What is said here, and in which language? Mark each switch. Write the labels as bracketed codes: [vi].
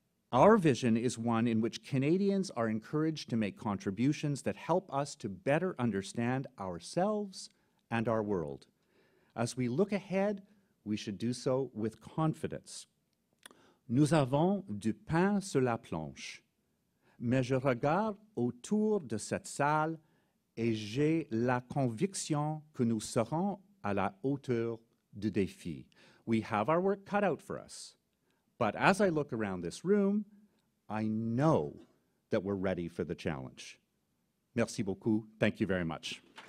[en] Our vision is one in which Canadians are encouraged to make contributions that help us to better understand ourselves and our world. As we look ahead, we should do so with confidence. [fr] Nous avons du pain sur la planche. Mais je regarde autour de cette salle et j'ai la conviction que nous serons à la hauteur du défi. [en] We have our work cut out for us. But as I look around this room, I know that we're ready for the challenge. [fr] Merci beaucoup. [en] Thank you very much.